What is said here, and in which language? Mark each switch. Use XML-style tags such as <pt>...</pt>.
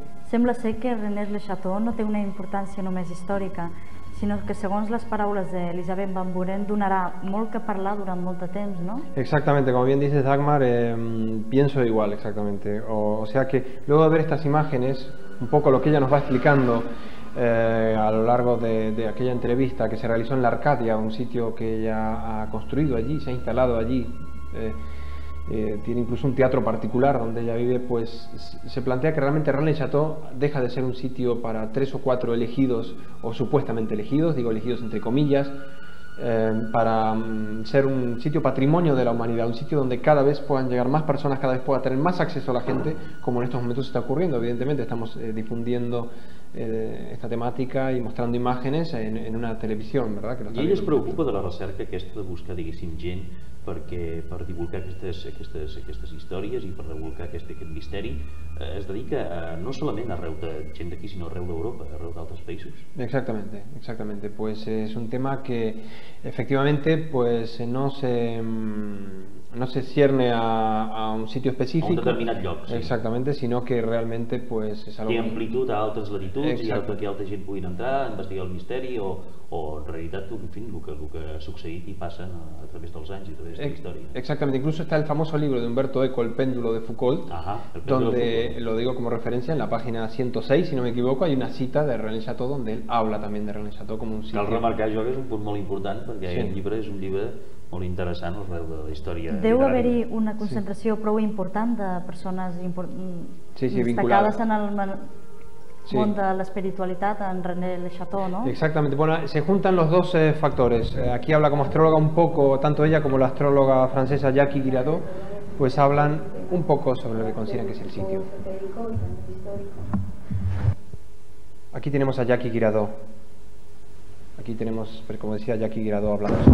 <ca>Sembla ser que Rennes-le-Château no té una importància només històrica, sinó que, segons les paraules d'Elizabeth Van Buren, donarà molt que parlar durant molt de temps, no?</ca> <es>Exactamente, como bien dices, Dagmar, pienso igual, exactamente. O sea que, luego de ver estas imágenes, un poco lo que ella nos va explicando a lo largo de aquella entrevista que se realizó en la Arcadia, un sitio que ella ha construido allí, se ha instalado allí, tiene incluso un teatro particular donde ella vive, pues se plantea que realmente Rennes-le-Château deja de ser un sitio para tres o cuatro elegidos, o supuestamente elegidos, digo elegidos entre comillas, para ser un sitio patrimonio de la humanidad, un sitio donde cada vez puedan llegar más personas, cada vez pueda tener más acceso a la gente, como en estos momentos está ocurriendo. Evidentemente estamos difundiendo esta temática y mostrando imágenes en una televisión, ¿verdad?</es> <ca>Que no.</ca> <es>¿Y ellos preocupa</es> <ca>de la recerca</ca> <es>que esto de buscar,</es> <ca>diguéssim, gent per divulgar aquestes històries i per divulgar aquest misteri, es dedica no solament arreu de gent d'aquí, sinó arreu d'Europa, arreu d'altres països?</ca> <es>Exactamente. Pues es un tema que efectivamente pues no se cierne a un sitio específic,</es> <ca>a un determinat lloc, sí.</ca> <es>Exactamente,</es> <ca>sinó</ca> <es>que realmente pues es algo...</es> <ca>Té amplitud a altres latituds i que altra gent puguin entrar, investigar el misteri o en realitat, en fi, el que ha succeït i passa a través dels anys i a través de la història.</ca> <es>Exactamente, incluso está el famoso libro de Humberto Eco, El péndulo de Foucault, donde, lo digo como referencia, en la página 106, si no me equivoco, hay una cita de Rennes-le-Château donde él habla también de Rennes-le-Château como un sitio...</es> <ca>Cal remarcar, jo, que és un punt molt important, perquè el llibre és un llibre molt interessant al revés de la història. Deu haver-hi una concentració prou important de persones destacades en el món de l'espiritualitat, en Rennes-le-Château, no?</ca> <es>Exactamente. Bueno, se juntan los dos factores. Aquí habla como astróloga un poco, tanto ella como la astróloga francesa Jackie Guiraud, pues hablan un poco sobre lo que consideran que es el sitio. Aquí tenemos a Jackie Guiraud. Aquí tenemos, como decía Jackie Guiraud, hablando.</es>